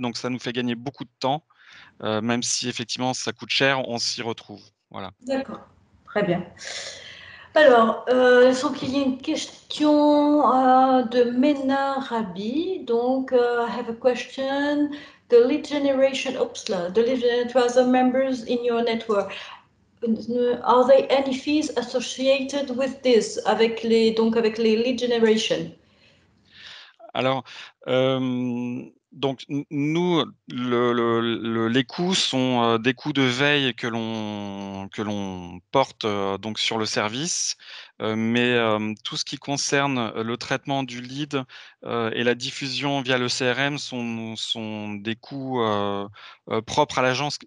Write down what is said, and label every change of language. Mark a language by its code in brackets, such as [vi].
[fr] Donc, ça nous fait gagner beaucoup de temps, même si, effectivement, ça coûte cher, on s'y retrouve. Voilà. D'accord, très bien. Alors, sans qu'il y ait une question de Mena Rabi, donc, [en] I have a question. The lead generation, the lead generation members in your network, are there any fees associated with this, [fr] avec les [en] lead generation? [fr] Alors, donc nous, les coûts sont des coûts de veille que l'on porte donc sur le service, mais tout ce qui concerne le traitement du lead et la diffusion via le CRM sont des coûts propres à l'agence.